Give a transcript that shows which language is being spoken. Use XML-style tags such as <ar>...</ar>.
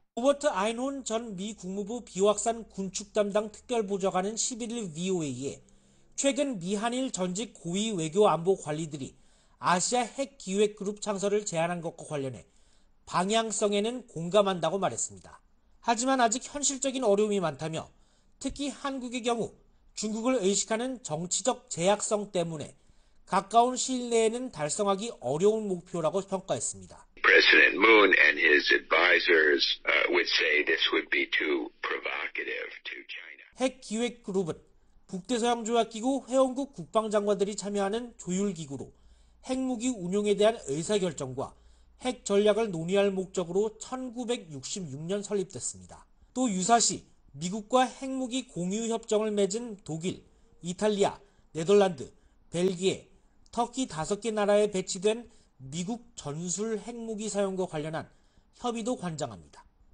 <ko>로버트 아인혼 전 미 국무부 비확산 군축 담당 특별보좌관은 11일 VOA에 최근 미한일 전직 고위 외교 안보 관리들이 아시아 핵기획 그룹 창설을 제안한 것과 관련해 방향성에는 공감한다고 말했습니다. 하지만 아직 현실적인 어려움이 많다며 특히 한국의 경우 중국을 의식하는 정치적 제약성 때문에 가까운 시일 내에는 달성하기 어려운 목표라고 평가했습니다.</ko> <en>President Moon and his advisors would say this would be too provocative to China.</en> <ko>핵 기획 그룹은 북대서양 조약 기구 회원국 국방장관들이 참여하는 조율 기구로 핵무기 운용에 대한 의사 결정과 핵 전략을 논의할 목적으로 1966년 설립됐습니다. 또 유사시 미국과 핵무기 공유 협정을 맺은 독일, 이탈리아, 네덜란드, 벨기에, 터키 5개 나라에 배치된 미국 전술 핵무기 사용과 관련한 협의도 관장합니다.</ko>